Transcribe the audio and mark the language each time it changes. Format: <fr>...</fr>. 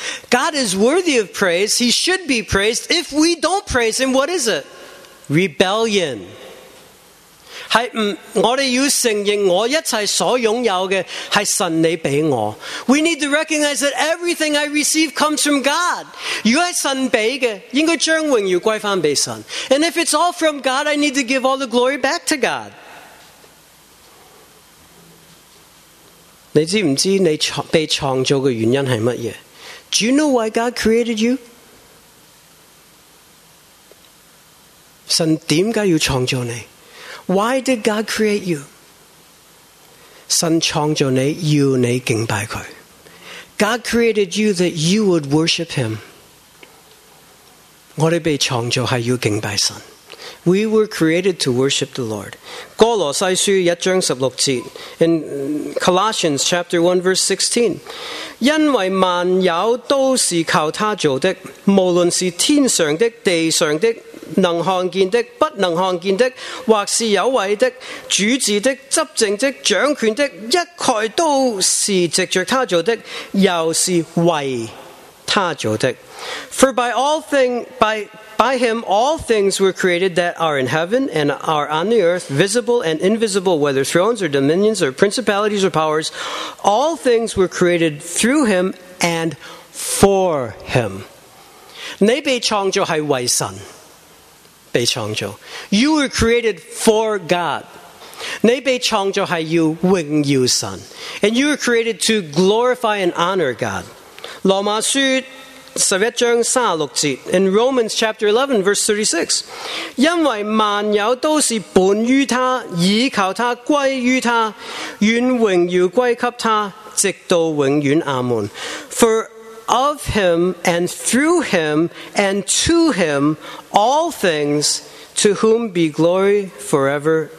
<en>God is worthy of praise, he should be praised. If we don't praise him, what is it? Rebellion.</en> <yue>是我们要承认我一切所拥有的是神你给我。</yue> <en>We need to recognize that everything I receive comes from God.</en> <yue>如果是神给的，应该将荣耀归返给神。</yue> <en>And if it's all from God, I need to give all the glory back to God.</en> <yue>你知不知你被创造的原因是什么？</yue> <en>Do you know why God created you?</en> <yue>神为什么要创造你？</yue> <en>Why did God create you?</en> <yue>神创造你，要你敬拜他。</yue> <en>God created you that you would worship him.</en> <yue>我们被创造是要敬拜神。</yue> <en>We were created to worship the Lord.</en> <yue>哥罗西书一章十六节，</yue> <en>in Colossians chapter 1 verse 16，</en> <yue>因为万有都是靠他做的， 无论是天上的、地上的、 能看见的、不能看见的，或是有位的、主治的、执政的、掌权的，一概都是藉着他做的，又是为他做的。</yue> <en>For by him all things were created that are in heaven and are on the earth, visible and invisible, whether thrones or dominions or principalities or powers. All things were created through him and for him.</en> <yue>你被创造是为神。被创造,</yue> <en>you were created for God.</en> <yue>你被创造是要荣耀神,</yue> <en>and you were created to glorify and honor God.</en> <yue>罗马书十一章三十六节,</yue> <en>in Romans chapter 11 verse 36,</en> <yue>因为万有都是本于他，倚靠他，归于他，愿荣耀归给他，直到永远。阿门。</yue> <en>For of him and through him and to him all things, to whom be glory forever.</en>